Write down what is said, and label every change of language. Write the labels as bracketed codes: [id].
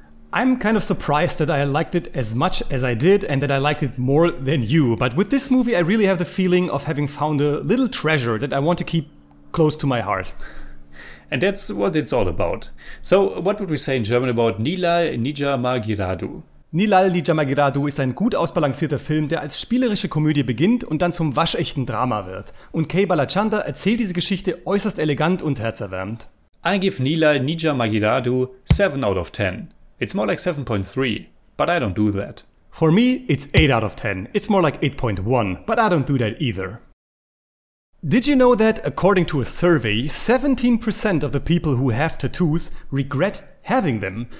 [en] I'm kind of surprised that I liked it as much as I did and that I liked it more than you, but with this movie I really have the feeling of having found a little treasure that I want to keep close to my heart. And that's what it's all about. So, what would we say in German about Nizhal, Nijamagiradhu? [de] Nizhal, Nijamagiradhu ist ein gut ausbalancierter Film, der als spielerische Komödie beginnt und dann zum waschechten Drama wird. Und K. Balachander erzählt diese Geschichte äußerst elegant und herzerwärmend. [en] I give Nizhal, Nijamagiradhu 7 out of 10. It's more like 7.3, but I don't do that. For me, it's 8 out of 10. It's more like 8.1, but I don't do that either. Did you know that, according to a survey, 17% of the people who have tattoos regret having them?